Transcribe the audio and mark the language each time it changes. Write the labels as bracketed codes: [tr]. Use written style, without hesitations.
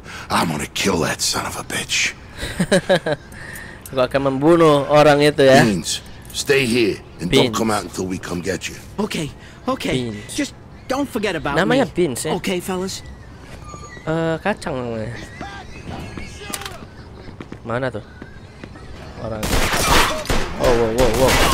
[en] I'm gonna kill that son of a bitch. [id] Gua akan membunuh orang itu ya. [en] Beans, stay here and Beans. Don't come out until we come get you. Okay. Okay. Beans. Just don't forget about [id] namanya [en] me. [id] Namanya Beans. Eh? [en] Okay, fellas. [id] Kacang namanya. Mana tuh? Orang. Oh, wow, wow, wow.